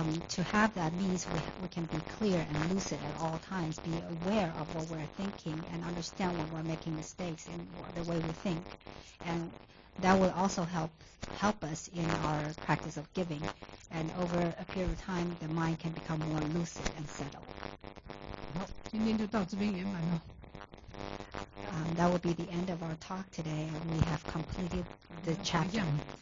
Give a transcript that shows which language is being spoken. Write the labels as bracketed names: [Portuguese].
[English] to have that means we can be clear and lucid at all times, be aware of what we're thinking and understand when we're making mistakes in the way we think, andThat will also help us in our practice of giving. And over a period of time, the mind can become more lucid and settled. [Chinese] 好，今天就到这边圆满了。 [English] That will be the end of our talk today. We have completed the chapter.